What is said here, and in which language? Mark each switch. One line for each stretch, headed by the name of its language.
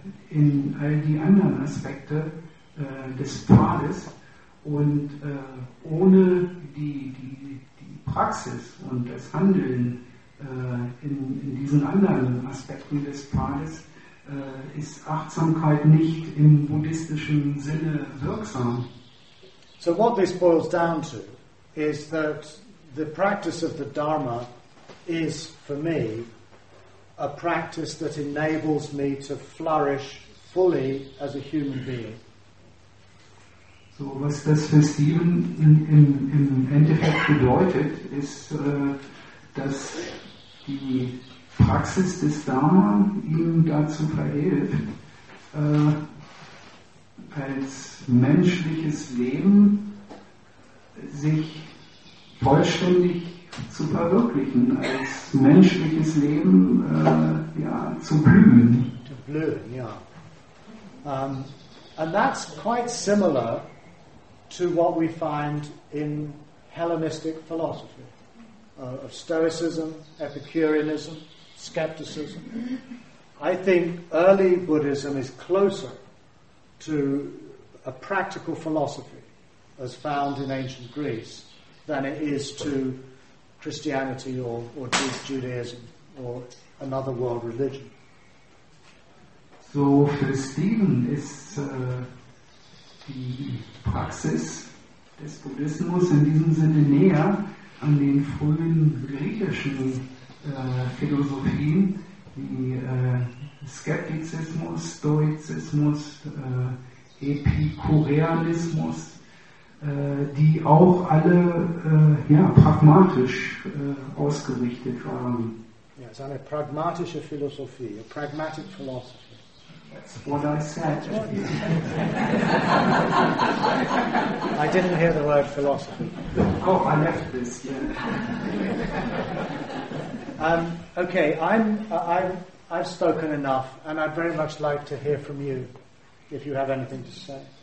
German: in all die anderen Aspekte des Pfades, und ohne die Praxis und das Handeln in diesen anderen Aspekten des Pfades ist Achtsamkeit nicht im buddhistischen Sinne wirksam.
English: So what this boils down to is that the practice of the Dharma is for me a practice that enables me to flourish fully as a human being.
German: So was das für Steven im Endeffekt bedeutet, ist, dass die Praxis des Dharma ihm dazu verhilft, als menschliches Leben sich vollständig zu verwirklichen, als menschliches Leben zu blühen.
English: To bloom, yeah. And that's quite similar to what we find in Hellenistic philosophy. Of Stoicism, Epicureanism, Skepticism. I think early Buddhism is closer to a practical philosophy as found in ancient Greece than it is to Christianity or Judaism or another world religion. So for Stephen is the
German: praxis des Buddhismus in diesem Sinne näher an den frühen griechischen Philosophien wie Skeptizismus, Stoizismus, Epikureanismus, die auch alle pragmatisch ausgerichtet waren. Ja, es ist eine pragmatische Philosophie,
English: a pragmatic philosophy. That's what I said. I didn't hear the word philosophy. Oh, I left this, yeah. Okay, I've spoken enough, and I'd very much like to hear from you if you have anything to say.